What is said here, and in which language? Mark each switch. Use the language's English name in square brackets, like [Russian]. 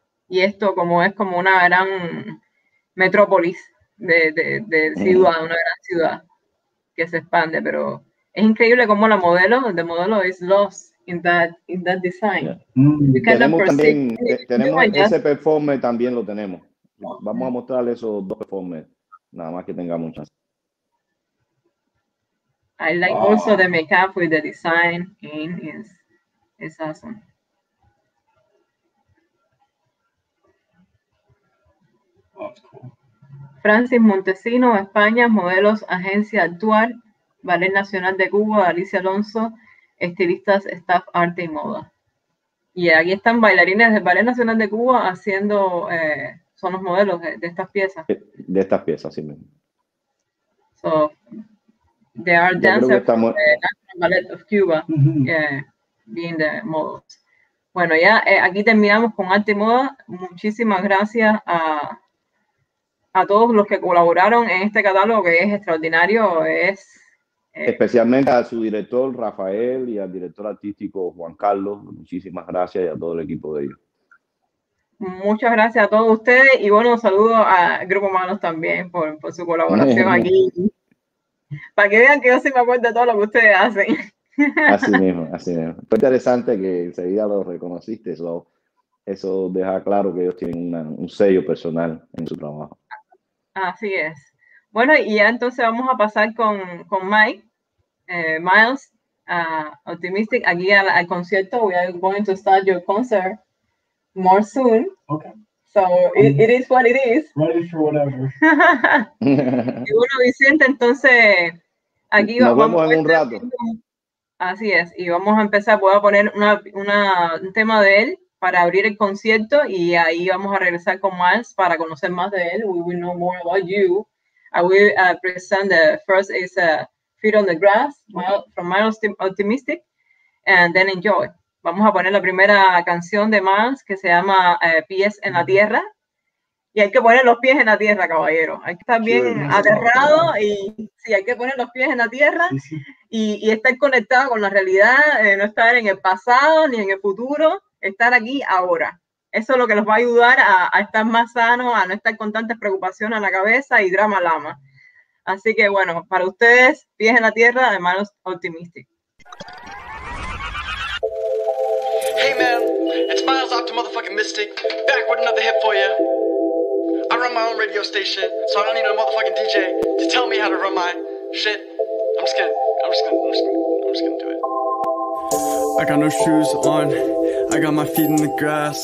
[Spanish] Y esto como es como una gran metrópolis de ciudad, una gran ciudad que se expande, pero... Es increíble cómo la modelo, [English] the model is lost in that design. Yeah. [Spanish] Tenemos ese performance también. Vamos a mostrar esos dos performances, nada más que tengamos chance. [English] I like also the makeup with the design in is awesome. [Spanish] Francis Montesino, España, modelos, agencia actual, Ballet Nacional de Cuba, Alicia Alonso, estilistas, staff, arte y moda. Y aquí están bailarines del Ballet Nacional de Cuba haciendo, son los modelos de estas piezas. De estas piezas, sí mismo. [English] So, they are dancers from the National Ballet of Cuba, being the models. [Spanish] Bueno, ya aquí terminamos con arte y moda. Muchísimas gracias a todos los que colaboraron en este catálogo, que es extraordinario. Es especialmente a su director Rafael y al director artístico Juan Carlos. Muchísimas gracias, y a todo el equipo de ellos. Muchas gracias a todos ustedes, y bueno, saludo a Grupo Manos también por su colaboración aquí. Para que vean que yo sí me acuerdo de todo lo que ustedes hacen. Así mismo. Fue interesante que enseguida lo reconociste. Eso deja claro que ellos tienen un sello personal en su trabajo. Así es. Bueno, y ya entonces vamos a pasar con Mike, Miles, Optimistic, aquí al concierto. [English] We are going to start your concert more soon. Okay. So it is what it is. Ready for whatever. [Spanish] Y bueno, Vicente, entonces aquí nos vemos en un rato. Así es, y vamos a empezar, voy a poner un tema de él para abrir el concierto, y ahí vamos a regresar con Miles para conocer más de él. [English] We will know more about you. I will present the first is Feet on the Grass, from Miles Optimistic, and then Enjoy. [Spanish] Vamos a poner la primera canción de Miles, que se llama Pies en la Tierra. Y hay que poner los pies en la tierra, caballero. Hay que estar bien aterrado y sí, hay que poner los pies en la tierra, sí. Y estar conectado con la realidad, no estar en el pasado ni en el futuro, estar aquí ahora. Eso es lo que los va a ayudar a estar más sano, a no estar con tantas preocupaciones en la cabeza y drama lama. Así que bueno, para ustedes, pies en la tierra, de Miles Optimistic. [English] Hey man, it's Miles Optimotherfucking Mystic, back with another hit for you. I run my own radio station, so I don't need a motherfucking DJ to tell me how to run my shit. I'm just gonna do it. I got no shoes on, I got my feet in the grass.